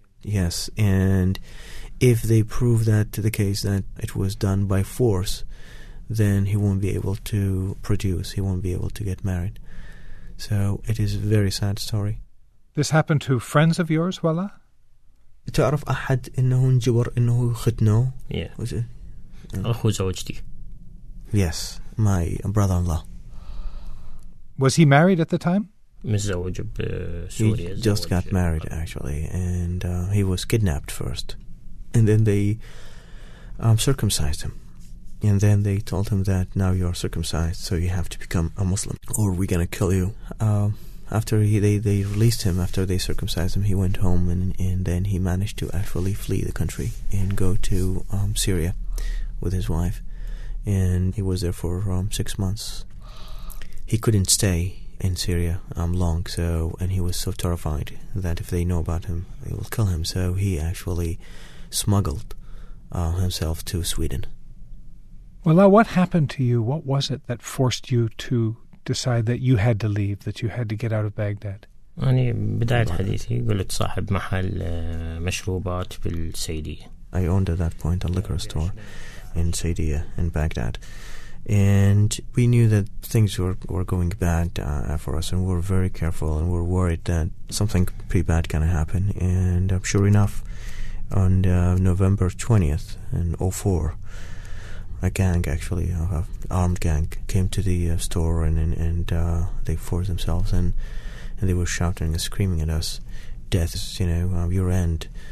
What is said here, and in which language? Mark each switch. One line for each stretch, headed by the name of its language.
English: yes. And if they prove that to the case that it was done by force, then he won't be able to produce. He won't be able to get married. So it is a very sad story. This happened to friends of yours, Wala?
Arabic: تعرف أحد إنه انجبر إنه ختنه؟
English: Yeah. Was it?
Arabic: أخو زوجتي.
English: Yes, my brother-in-law. Was he married at the time?
Arabic: متزوج بسوريا.
English: He just got married actually, and he was kidnapped first, and then they circumcised him, and then they told him that now you are circumcised, so you have to become a Muslim, or we're gonna kill you. After they released him, after they circumcised him, he went home, and then he managed to actually flee the country and go to Syria with his wife. And he was there for 6 months. He couldn't stay in Syria long, so, and he was so terrified that if they know about him, they will kill him. So he actually smuggled himself to Sweden. Well, now, what happened to you? What was it that forced you to decide that you had to leave, that you had to get out of Baghdad?
Arabic: أنا بداية حديثي قلت صاحب محل مشروبات في السيدية.
English: I owned at that point a liquor store in Saidiya, in Baghdad. And we knew that things were going bad for us, and we're very careful, and we're worried that something pretty bad gonna happen. And sure enough, on November 20th in 04, a gang, actually, an armed gang, came to the store, and they forced themselves in, and they were shouting and screaming at us, death, you know, your end.